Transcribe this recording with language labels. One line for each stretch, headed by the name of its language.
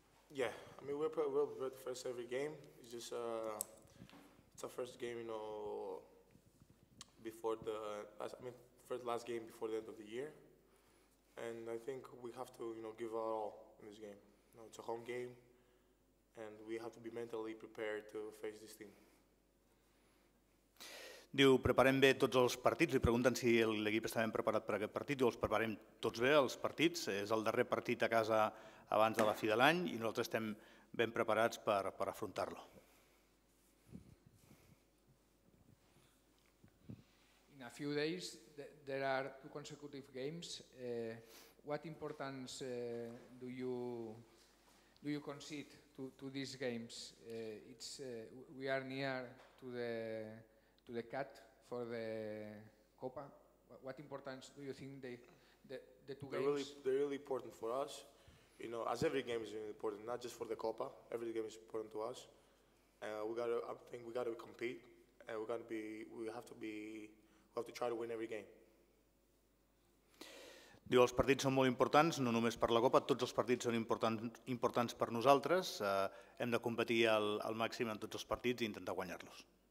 English: Yeah, I mean we're probably well prepared to face every game. It's just it's our first game, you know, before the last game before the end of the year, and I think we have to, you know, give our all in this game. You know, it's a home game, and we have to be mentally prepared to face this team.
Catalan: Diu, preparem bé tots els partits, li pregunten si l'equip està ben preparat per aquest partit, diu, els preparem tots bé, els partits, és el darrer partit a casa abans de la fi de l'any i nosaltres estem ben preparats per afrontar-lo.
English: In a few days, there are two consecutive games. What importance do you concede to these games? We are near to the cut for the Copa. What importance do you think the two games? They're really important for us. You know, as every game is really important, not just for the Copa. Every game is important to us. I think we gotta compete, and we have to try to win every game.
Catalan: Diu, els partits són molt importants, no només per la Copa, tots els partits són importants per nosaltres. Hem de competir al màxim en tots els partits i intentar guanyar-los.